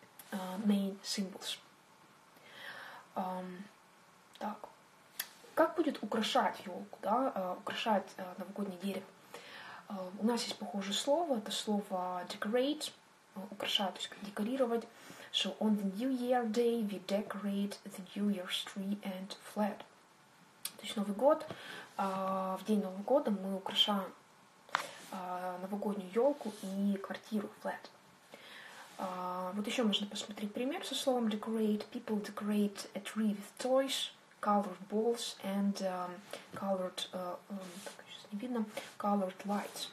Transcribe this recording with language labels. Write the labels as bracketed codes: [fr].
[en] Main symbols. Так. [ru] Как будет украшать елку, да, украшать новогоднее дерево? У нас есть похожее слово, это слово decorate, украшать, то есть декорировать. [en] So on the New Year Day we decorate the New Year's tree and flag. [ru] То есть Новый год, в день Нового года мы украшаем новогоднюю елку и квартиру flag. Вот еще можно посмотреть пример со словом decorate. [en] People decorate a tree with toys, colored balls and colored, [ru] так, сейчас не видно, [en] colored lights.